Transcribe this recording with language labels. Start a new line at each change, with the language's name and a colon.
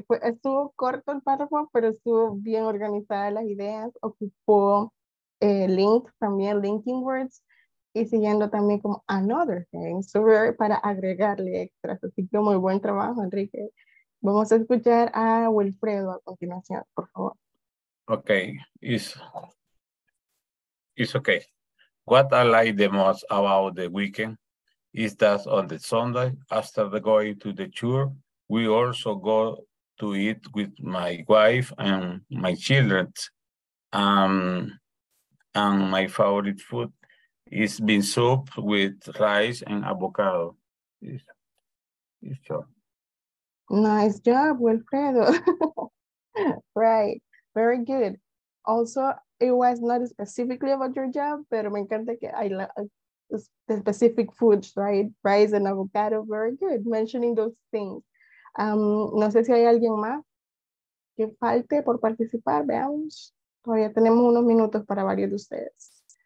Spanish: Estuvo corto el párrafo, pero estuvo bien organizada las ideas, ocupó link también, linking words, y siguiendo también como
English: another thing,
Spanish: so very, para agregarle extras, así que muy buen trabajo, Enrique. Vamos a escuchar a Wilfredo a continuación, por favor.
English: Okay, it's okay. What I like the most about the weekend is that on the Sunday, after the going to the church, we also go to eat with my wife and my children. And my favorite food is bean soup with rice and avocado. Nice job, Wilfredo. Right, very good. Also, it was not specifically about your job,
Spanish: pero me encanta que
English: I love specific foods, right? Rice and avocado, very good, mentioning those things.
Spanish: No sé si hay alguien más que falte por participar, veamos. Todavía tenemos unos minutos para varios de ustedes.